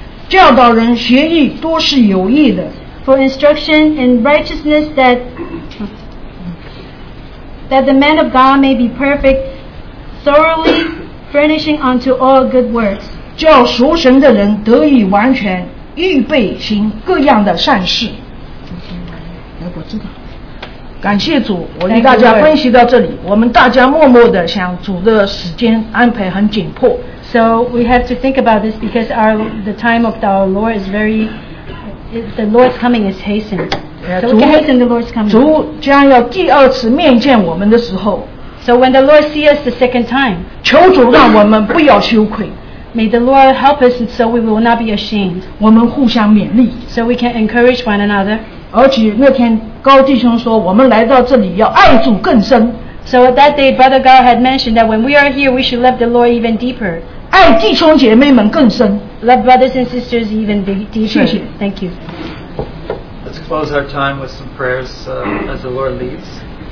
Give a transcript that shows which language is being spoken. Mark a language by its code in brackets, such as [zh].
[zh] 教导人学义多是有益的。 [en] For instruction in righteousness that the man of God may be perfect, thoroughly furnishing unto all good works. [zh] 叫属神的人得以完全，预备行各样的善事。我知道。感谢主，我与大家分析到这里，我们大家默默地想主的时间安排很紧迫。 [en] So we have to think about this because the time of our Lord is very, the Lord's coming is hastened. So we can hasten the Lord's coming. [zh] 主将要第二次面见我们的时候。 [en] So when the Lord sees us the second time, [zh] 求主让我们不要羞愧。 [en] May the Lord help us so we will not be ashamed. [zh] 我们互相勉励。 [en] So we can encourage one another. [zh] 而且那天高弟兄说，我们来到这里要爱主更深。 [en] So that day, Brother God had mentioned that when we are here, we should love the Lord even deeper. [zh] 爱弟兄姐妹们更深。 [en] Love brothers and sisters even deeper. [zh] 谢谢。 [en] Thank you. Let's close our time with some prayers as the Lord leads.